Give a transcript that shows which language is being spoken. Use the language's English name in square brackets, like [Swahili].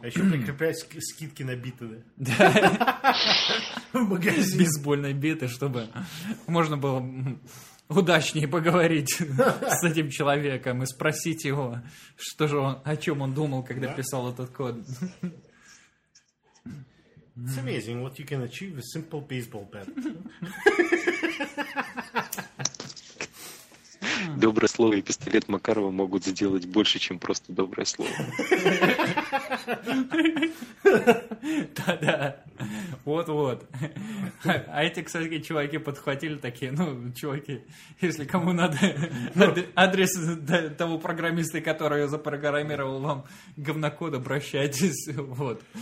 [Russian] А еще прикреплять скидки на биты. Да. В магазин. Бейсбольные биты, чтобы можно было... удачнее поговорить с этим человеком и спросить его, что же он, о чем он думал, когда писал этот код. [English] It's amazing what you can achieve with simple baseball bat. [Russian] Доброе слово и пистолет Макарова могут сделать больше, чем просто доброе слово. Да-да. Вот-вот. А эти, кстати, чуваки подхватили такие, ну, чуваки, если кому надо адрес того программиста, который запрограммировал вам говнокод, обращайтесь, вот.